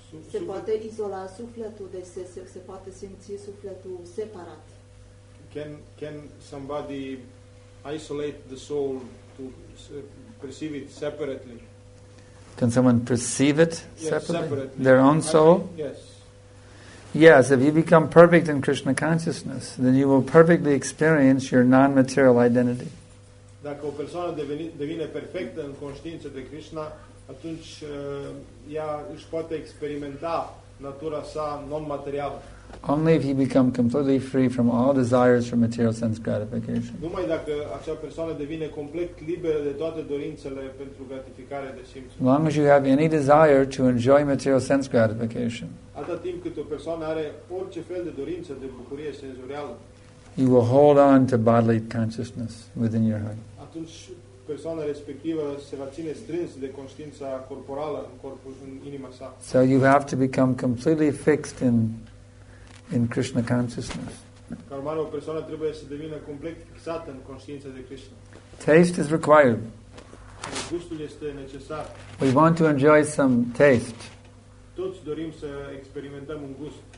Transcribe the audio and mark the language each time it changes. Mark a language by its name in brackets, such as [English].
[Romanian] Se poate izola sufletul, deci se poate simți sufletul separat. [English] Can somebody isolate the soul to perceive it separately? Can someone perceive it separately? Yes, separately. Their own soul? Yes. Yes, if you become perfect in Krishna consciousness, then you will perfectly experience your non-material identity. [Romanian] Dacă o persoană devine perfectă în conștiință de Krishna, atunci ea își poate experimenta natura sa non-materială. [English] Only if he become completely free from all desires for material sense gratification. [Romanian] Numai dacă acea persoană devine complet liberă de toate dorințele pentru gratificare de simț. [English] As long as you have any desire to enjoy material sense gratification. [Romanian] Atât timp cât o persoană are orice fel de dorință de bucurie senzorială. [English] You will hold on to bodily consciousness within your heart. [Romanian] Atunci persoana respectivă se va ține strâns de conștiința corporală în corpul, în inima sa. [English] So you have to become completely fixed in Krishna consciousness. [Romanian] Ca urmare, o persoană trebuie să devină complet fixată în conștiința de Krishna. [English] Taste is required. [Romanian] Gustul este necesar. [English] We want to enjoy some taste. [Romanian] Toți dorim să experimentăm un gust.